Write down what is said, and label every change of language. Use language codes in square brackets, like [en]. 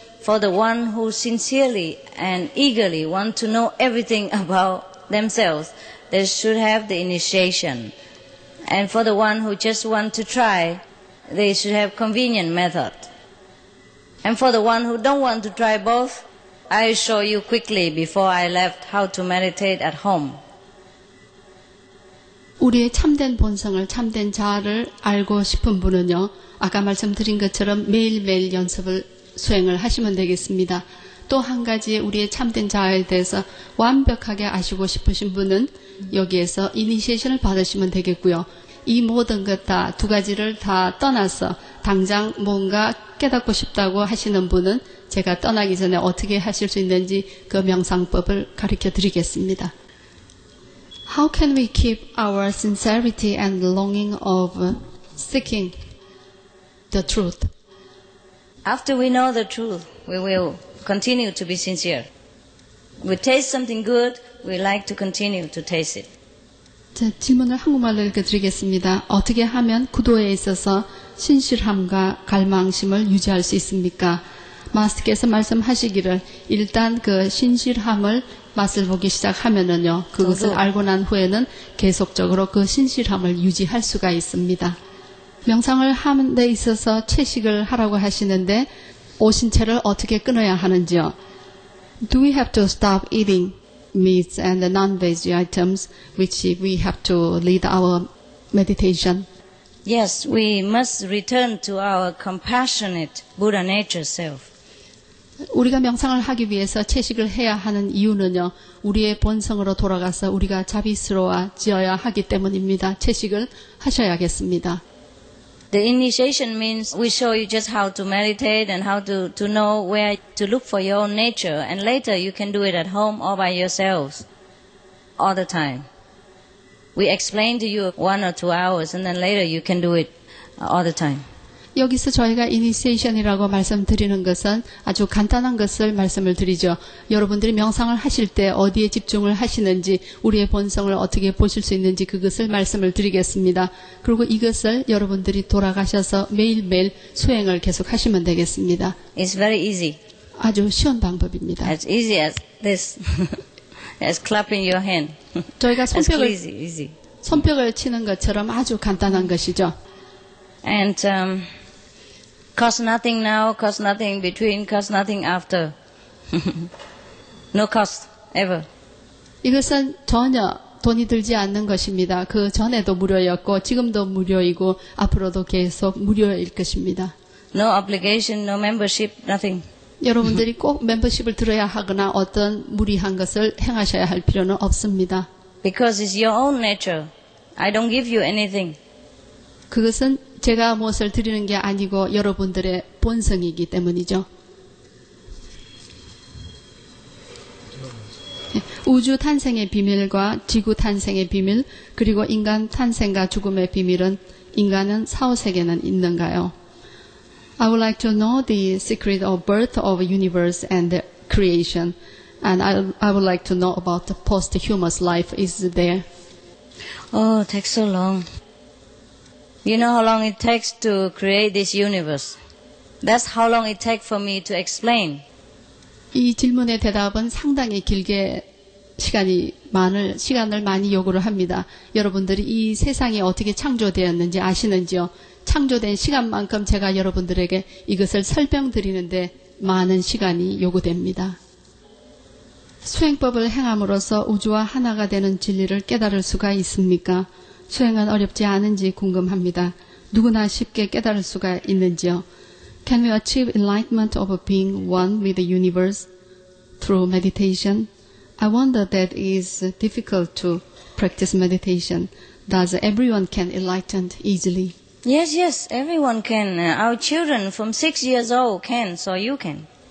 [en] For the one who sincerely and eagerly want to know everything about themselves, they should have the initiation. And for the one who just want to try, they should have convenient method. And for the one who don't want to try both, I show you quickly before I left how to meditate at home. [ko] 우리의 참된 본성을 참된 자아를 알고 싶은 분은요, 아까 말씀드린 것처럼 매일매일 연습을 수행을 하시면 되겠습니다. 또 한 가지 우리의 참된 자아에 대해서 완벽하게 아시고 싶으신 분은 여기에서 이니시에이션을 받으시면 되겠고요. 이 모든 것 다 두 가지를 다 떠나서 당장 뭔가 깨닫고 싶다고 하시는 분은 제가 떠나기 전에 어떻게 하실 수 있는지 그 명상법을 가르쳐 드리겠습니다. [en] How can we keep our sincerity and longing of seeking the truth? After we know the truth, we will continue to be sincere. We taste something good, we like to continue to taste it. [ko] 자, 질문을 한국말로 읽어드리겠습니다. 어떻게 하면 구도에 있어서 신실함과 갈망심을 유지할 수 있습니까? 마스터께서 말씀하시기를 일단 그 신실함을 맛을 보기 시작하면은요, 그것을 알고 난 후에는 계속적으로 그 신실함을 유지할 수가 있습니다. 명상을 하는 데 있어서 채식을 하라고 하시는데 오신체를 어떻게 끊어야 하는지요? [en] Do we have to stop eating meats and non-veg items which we have to lead our meditation? Yes, we must return to our compassionate Buddha nature self. [ko] 우리가 명상을 하기 위해서 채식을 해야 하는 이유는요, 우리의 본성으로 돌아가서 우리가 자비스러워지어야 하기 때문입니다. 채식을 하셔야겠습니다. [en] The initiation means we show you just how to meditate and how to know where to look for your own nature, and later you can do it at home or by yourselves all the time. We explain to you one or two hours, and then later you can do it all the time. [ko] 여기서 저희가 이니시에이션이라고 말씀드리는 것은 아주 간단한 것을 말씀을 드리죠. 여러분들이 명상을 하실 때 어디에 집중을 하시는지, 우리의 본성을 어떻게 보실 수 있는지 그것을 말씀을 드리겠습니다. 그리고 이것을 여러분들이 돌아가셔서 매일매일 수행을 계속하시면 되겠습니다. [en] It's very easy. [ko] 아주 쉬운 방법입니다. [en] As easy as this. As clapping your hand. [ko] 저희가 손뼉을 치는 것처럼 아주 간단한 것이죠. [en] And cause nothing now, cause nothing between, cause nothing after. No cost ever. [ko] 이것은 전혀 돈이 들지 않는 것입니다. 그 전에도 무료였고 지금도 무료이고 앞으로도 계속 무료일 것입니다. [en] No obligation, no membership, nothing. [ko] 여러분들이 꼭 멤버십을 들어야 하거나 어떤 무리한 것을 행하셔야 할 필요는 없습니다. [en] Because it's your own nature. I don't give you anything. [ko] 그것은 제가 무엇을 드리는 게 아니고 여러분들의 본성이기 때문이죠. 우주 탄생의 비밀과 지구 탄생의 비밀, 그리고 인간 탄생과 죽음의 비밀은 인간은 사후세계는 있는가요? [en] I would like to know the secret of birth of universe and the creation. And I would like to know about the posthumous life. Is there? Oh, it takes so long. You know how long it takes to create this universe? That's how long it takes for me to explain. [ko] 이 질문의 대답은 상당히 길게 시간을 많이 요구를 합니다. 여러분들이 이 세상이 어떻게 창조되었는지 아시는지요? 창조된 시간만큼 제가 여러분들에게 이것을 설명드리는데 많은 시간이 요구됩니다. 수행법을 행함으로써 우주와 하나가 되는 진리를 깨달을 수가 있습니까? 수행은 어렵지 않은지 궁금합니다. 누구나 쉽게 깨달을 수가 있는지요? [en] Can we achieve enlightenment of being one with the universe through meditation? I wonder that it is difficult to practice meditation. Thus, everyone can enlighten easily. Yes, yes, everyone can. Our children from 6 years old can, so you can.